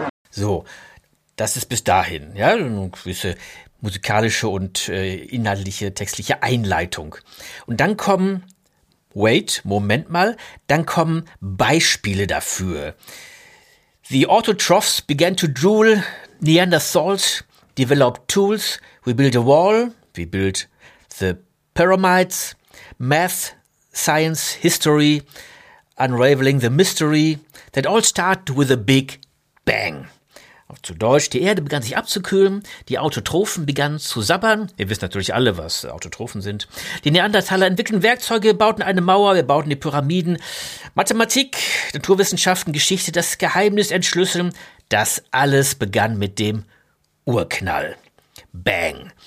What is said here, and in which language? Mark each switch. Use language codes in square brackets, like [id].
[de] So, das ist bis dahin. Ja, eine gewisse musikalische und inhaltliche, textliche Einleitung. Und dann kommen Wait, Moment mal, dann kommen Beispiele dafür. [en] The autotrophs began to drool, Neanderthals developed tools, we build a wall, we build the pyramids, math, science, history, unraveling the mystery, that all started with a big bang. [de] Zu Deutsch, die Erde begann sich abzukühlen, die Autotrophen begannen zu sabbern. Ihr wisst natürlich alle, was Autotrophen sind. Die Neandertaler entwickelten Werkzeuge, bauten eine Mauer, wir bauten die Pyramiden. Mathematik, Naturwissenschaften, Geschichte, das Geheimnis entschlüsseln. Das alles begann mit dem Urknall. Bang.